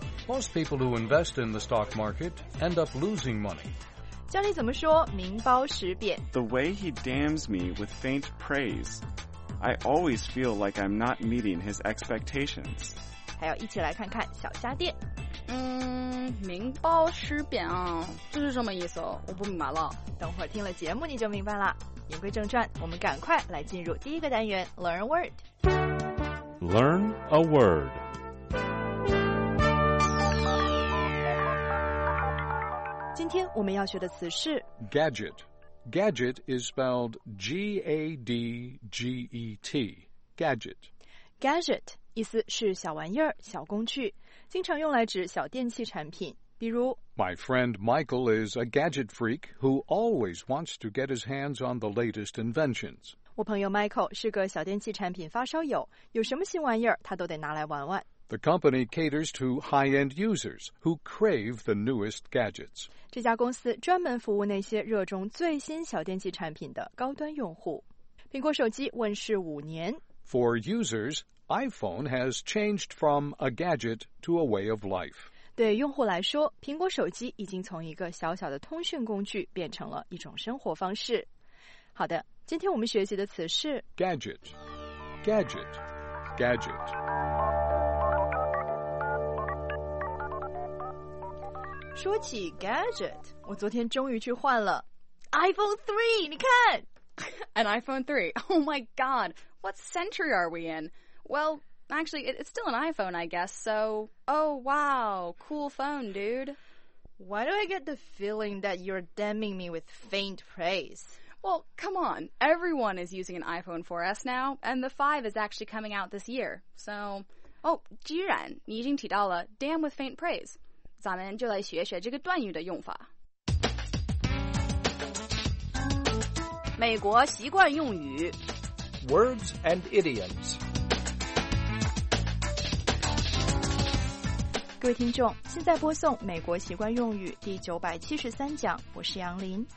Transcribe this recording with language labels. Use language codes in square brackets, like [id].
[en] Most people who invest in the stock market end up losing money. [zh] 教你怎么说名包实贬。 [en] The way he damns me with faint praise, I always feel like I'm not meeting his expectations. [zh] 还要一起来看看小虾店。名包实贬啊，这是什么意思？我不明白了。等会儿听了节目你就明白了。言归正传，我们赶快来进入第一个单元 ， [en] Learn a word。 Learn a word。 [zh] 今天我们要学的词是 [en] gadget. Gadget is spelled G-A-D-G-E-T. Gadget. [zh] Gadget 意思是小玩意儿、小工具，经常用来指小电器产品。比如 [en] My friend Michael is a gadget freak who always wants to get his hands on the latest inventions. [zh] 我朋友 Michael 是个小电器产品发烧友，有什么新玩意儿他都得拿来玩玩。 [en] The company caters to high-end users who crave the newest gadgets. [zh] 这家公司专门服务那些热衷最新小电器产品的高端用户。苹果手机问世五年。 [en] For users, iPhone has changed from a gadget to a way of life. [zh] 对用户来说，苹果手机已经从一个小小的通讯工具变成了一种生活方式。好的，今天我们学习的词是 [en] gadget, gadget, gadget. [zh] 说起 gadget, 我昨天终于去换了 iPhone 3, 你看 [en] An iPhone 3, oh my god, what century are we in? Well, actually, it's still an iPhone, I guess, so, oh wow, cool phone, dude. Why do I get the feeling that you're damning me with faint praise? Well, come on, everyone is using an iPhone 4S now, and the 5 is actually coming out this year, so, oh, [zh] 既然你已经提到了 [en] damn with faint praise. [zh] 咱们就来学学这个段语的用法。美国习惯用语 [en] Words and idioms。 [zh] 各位听众，现在播送美国习惯用语第973讲，我是杨林，